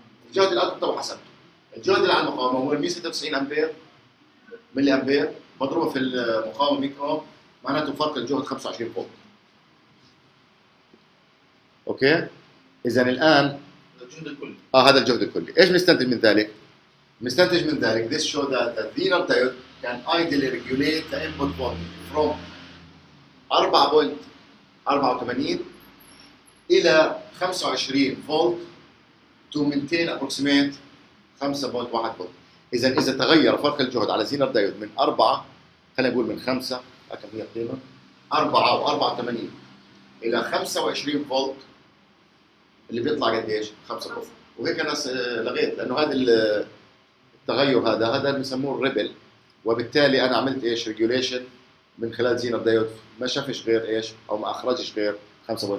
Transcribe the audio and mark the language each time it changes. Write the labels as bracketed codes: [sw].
[ar] الجهد الاوتبوت طبعا حسبته. الجهد على المقاومه هو 196 امبير ملي امبير مضروبه في المقاومه 100 اوم، معناته فرق الجهد 25 فولت. اوكي؟ اذا الان الجهد الكلي هذا الجهد الكلي، ايش بنستنتج من ذلك؟ بنستنتج من ذلك [en] this show that the Zener diode can ideally regulate the input voltage from 4 volt 84 الى 25 volt to maintain approximate 5.1 volt. [ar] اذا اذا تغير فرق الجهد على زينر دايود من 4، خلينا نقول من 5 كم هي القيمه 4.84 الى 25 فولت اللي بيطلع قديش 5 فولت. وهيك انا لغيت لانه هذا التغير هذا بنسموه الريبل، وبالتالي انا عملت ايش ريجوليشن من خلال زينر دايود ما شافش غير ايش او ما اخرجش غير 5.1.